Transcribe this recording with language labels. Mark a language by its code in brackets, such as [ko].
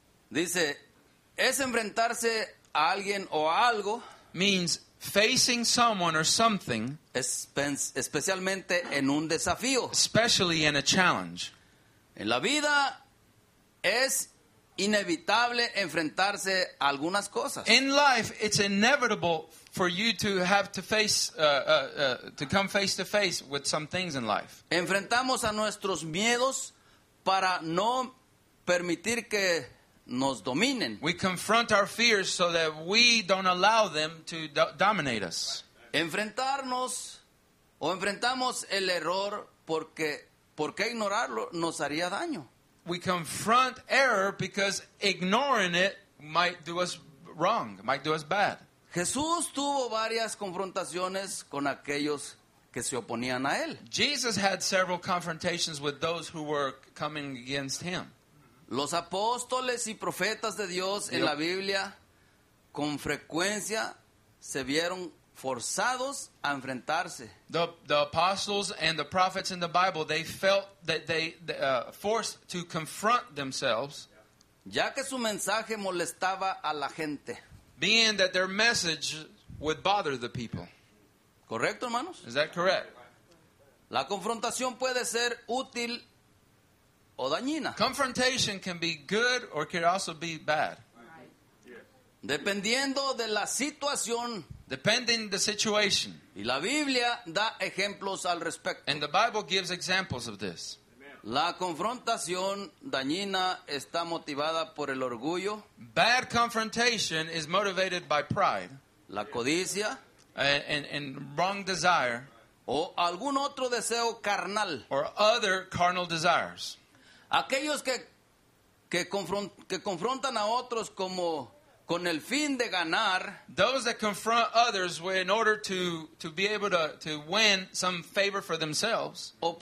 [es] Dice, es enfrentarse a alguien o a algo. [en] Means facing someone or something, [es] especialmente en un desafío, [en] especially in a challenge. [es] En la vida es inevitable enfrentarse a algunas cosas. [en] In life, it's inevitable for you to have to face, to come face to face with some things in life. [es] Enfrentamos a nuestros miedos para no permitir que nos dominen. [en] We confront our fears so that we don't allow them to dominate us. [es] Enfrentarnos o enfrentamos el error porque ignorarlo nos haría daño. [en] We confront error because ignoring it might do us wrong, might do us bad. [es] Jesús tuvo varias confrontaciones con aquellos que se oponían a él. [en] Jesus had several confrontations with those who were coming against him. [es] Los apóstoles y profetas de Dios en la Biblia con frecuencia se vieron forzados a enfrentarse. [en] The apostles and the prophets in the Bible, they felt that they forced to confront themselves. [es] Ya que su mensaje molestaba a la gente. [en] Being that their message would bother the people. [es] ¿Correcto, hermanos? [en] Is that correct? [es] La confrontación puede ser útil o dañina. [en] Confrontation can be good or can also be bad. [es] Dependiendo de la situación. [en] Depending the situation. [es] Y la Biblia da ejemplos al respecto. [en] And the Bible gives examples of this. [es] La confrontación dañina está motivada por el orgullo. [en] Bad confrontation is motivated by pride. [es] La codicia. [en] And wrong desire. [es] O algún otro deseo carnal. [en] Or other carnal desires. [es] Aquellos que confrontan a otros como con el fin de ganar. [en] Those that confront others in order to be able to win some favor for themselves.